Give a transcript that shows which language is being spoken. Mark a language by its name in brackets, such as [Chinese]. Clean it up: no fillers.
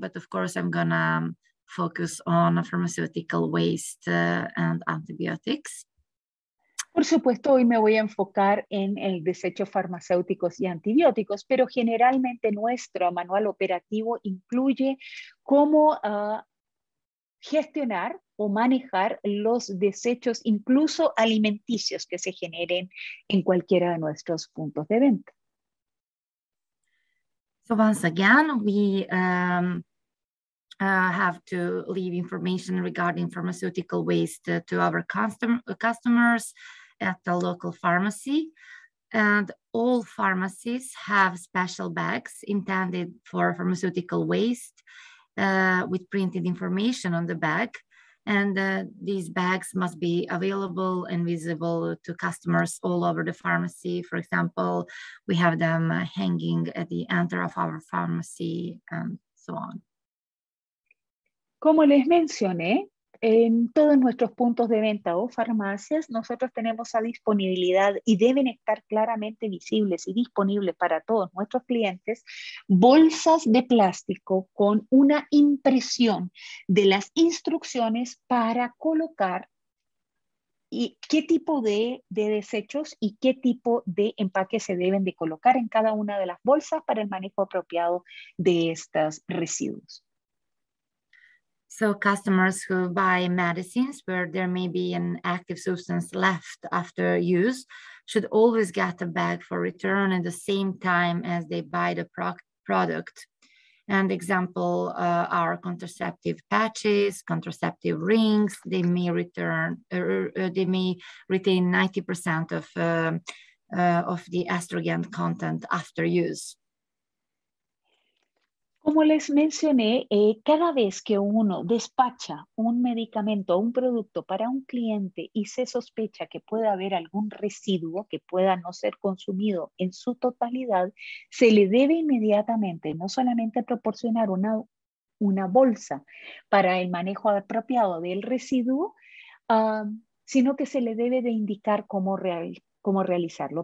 [English] But of course, I'm gonna focus on pharmaceutical waste and antibiotics. [Spanish] Por supuesto, hoy me voy a enfocar en el desecho farmacéuticos y antibióticos, pero generalmente nuestro manual operativo incluye cómo gestionar o manejar los desechos, incluso alimenticios, que se generen en cualquiera de nuestros puntos de venta. [English] So once again, we have to leave information regarding pharmaceutical waste to our customers at the local pharmacy. And all pharmacies have special bags intended for pharmaceutical waste, with printed information on the bag, and these bags must be available and visible to customers all over the pharmacy. For example, we have them hanging at the entrance of our pharmacy and so on. [Spanish] Como les mencioné, en todos nuestros puntos de venta o farmacias, nosotros tenemos a disponibilidad y deben estar claramente visibles y disponibles para todos nuestros clientes, bolsas de plástico con una impresión de las instrucciones para colocar y qué tipo de desechos y qué tipo de empaques se deben de colocar en cada una de las bolsas para el manejo apropiado de estos residuos. [English] So customers who buy medicines where there may be an active substance left after use should always get a bag for return at the same time as they buy the product. And example are contraceptive patches, contraceptive rings. They may return, they may retain 90% of the estrogen content after use. [Spanish] Como les mencioné, cada vez que uno despacha un medicamento o un producto para un cliente y se sospecha que pueda haber algún residuo que pueda no ser consumido en su totalidad, se le debe inmediatamente no solamente proporcionar una bolsa para el manejo apropiado del residuo, sino que se le debe de indicar cómo realizarlo. Cómo realizarlo.